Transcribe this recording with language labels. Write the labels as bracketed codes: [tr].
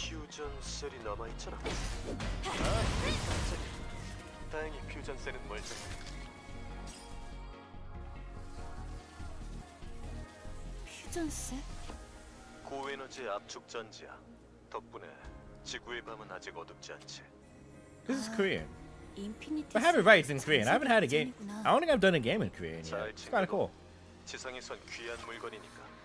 [ko] 전설이 남아 있잖아. 아, 다행히 퓨전셀은 멀지. 퓨전셀? 고에너지 압축 전지야. 덕분에 지구의 밤은 아직 어둡지 않지. [en] This is Korean. Infinity. I have it right. It's in Korean. I haven't had a game. I don't think I've done a game in Korean. Yet. It's kind of cool. [ko] 지상에선 귀한 물건이니까.